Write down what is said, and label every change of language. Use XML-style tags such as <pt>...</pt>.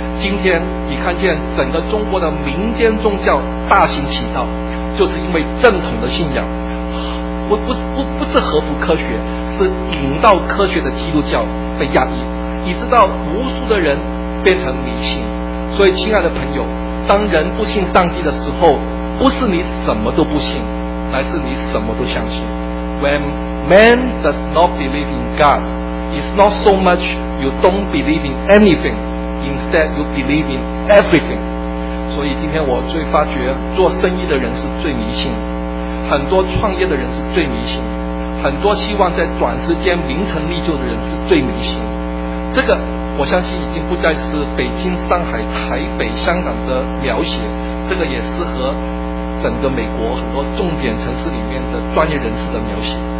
<zh>今天你看见整个中国的民间宗教大行其道，就是因为正统的信仰不是合乎科学，是引到科学的基督教被压抑，以致到无数的人变成迷信。所以亲爱的朋友，当人不信上帝的时候，不是你什么都不信，乃是你什么都相信。</zh> <en>When man does not believe in God, it's not so much you don't believe in anything, instead you believe in everything。</en> <zh>所以今天我最发觉，做生意的人是最迷信，很多创业的人是最迷信，很多希望在短时间名成利就的人是最迷信。这个我相信已经不再是北京、上海、台北、香港的描写，这个也适合整个美国很多重点城市里面的专业人士的描写。</zh>